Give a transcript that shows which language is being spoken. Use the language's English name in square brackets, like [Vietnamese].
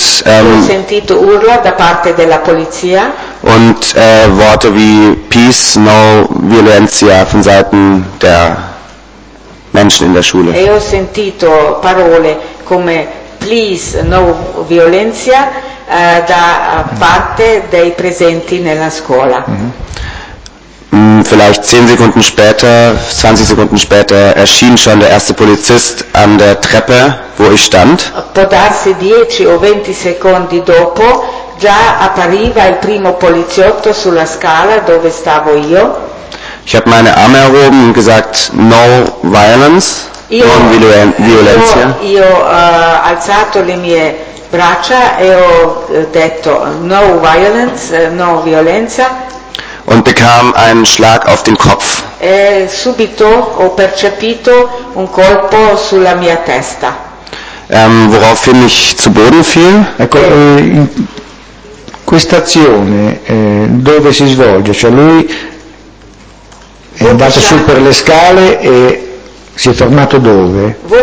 [Italian] sentito urla da parte della polizia. [German] Und Worte wie [English] Peace, [Spanish] no violencia [German] von Seiten der Menschen in der Schule. [Italian] E ho sentito parole come [English] Please, [Spanish] no violencia [Italian] da parte dei presenti nella scuola. [German] Vielleicht 10 Sekunden später, 20 Sekunden später erschien schon der erste Polizist an der Treppe, wo ich stand. [Italian] Può darsi 10 o 20 secondi dopo già appariva il primo poliziotto sulla scala dove stavo io. [German] Ich habe meine Arme erhoben und gesagt, [English] no violence, [Spanish] no violencia. [Italian] Io alzato le mie braccia e ho detto [English] no violence, [Italian] no violenza. [German] Und bekam einen Schlag auf den Kopf. [Italian] E subito ho percepito un colpo sulla mia testa. [German] Woraufhin ich zu Boden fiel. [Italian] Ecco, questa azione dove si svolge? Cioè lui è andato su per le scale e si è fermato dove?